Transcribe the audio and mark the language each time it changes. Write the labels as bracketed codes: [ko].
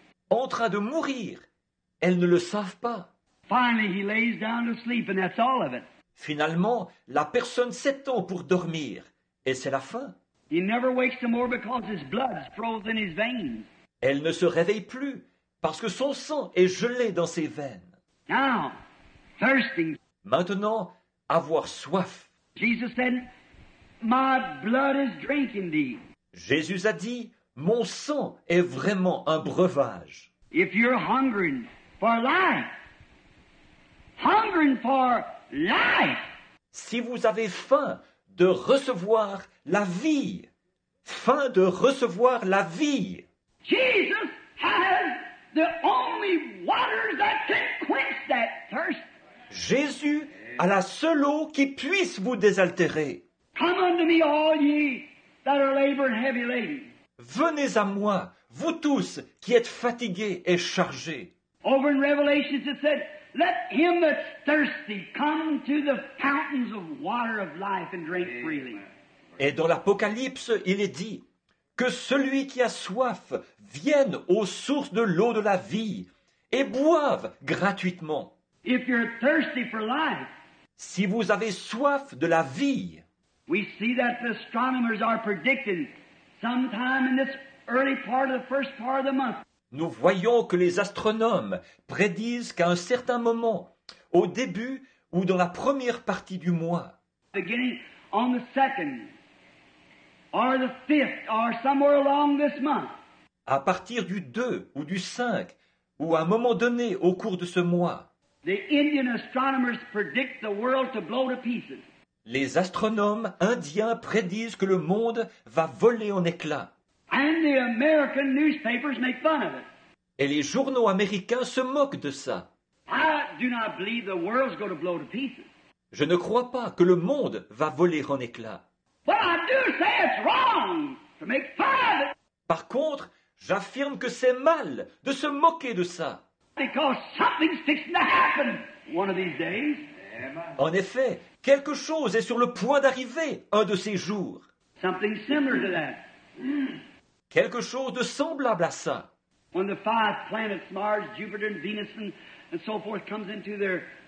[fr] En train de mourir, elles ne le savent pas. [en] Finally, he lays down to sleep and that's all of it. [fr] Finalement, la personne s'étend pour dormir, et c'est la fin. [en] He never wakes no more because his blood's frozen his veins. [fr] Elle ne se réveille plus parce que son sang est gelé dans ses veines. [en] Now, thirsting. [fr] Maintenant, avoir soif. [en] Jesus said, "My blood is drink indeed." [fr] Jésus a dit, mon sang est vraiment un breuvage. [en] If you're hungering for life, hungering for life. [fr] Si vous avez faim de recevoir la vie, faim de recevoir la vie. [en] Jesus has the only water that can quench that thirst. [fr] Jésus a la seule eau qui puisse vous désaltérer. [en] Come unto me all ye that are labored and heavy laden. [fr] Venez à moi, vous tous qui êtes fatigués et chargés. [en] Over in Revelation it said, let him that's thirsty come to the fountains of water of life and drink freely. [fr] Et dans l'Apocalypse, il est dit que celui qui a soif vienne aux sources de l'eau de la vie et boive gratuitement. [en] If you're thirsty for life, [fr] si vous avez soif de la vie, [en] we see that the astronomers are predicting sometime in this early part of the first part of the month. [fr] Nous voyons que les astronomes prédisent qu'à un certain moment, au début ou dans la première partie du mois, [en] beginning on the second or the fifth or somewhere along this month, [fr] à partir du 2 ou du 5 ou à un moment donné au cours de ce mois, [en] the Indian astronomers predict the world to blow to pieces. [fr] Les astronomes indiens prédisent que le monde va voler en éclats. [en] And the American newspapers make fun of it. [fr] Et les journaux américains se moquent de ça. [en] I do not believe the world's going to blow to pieces. [fr] Je ne crois pas que le monde va voler en éclats. [en] But I do say it's wrong to make fun of it. [fr] Par contre, j'affirme que c'est mal de se moquer de ça. [en] Because something's fixing to happen one of these days. [fr] En effet, quelque chose est sur le point d'arriver un de ces jours. [en] Something similar to that. [fr] Quelque chose de semblable à ça. [en] When the five planets, Mars, Jupiter, Venus, and so forth, comes into their...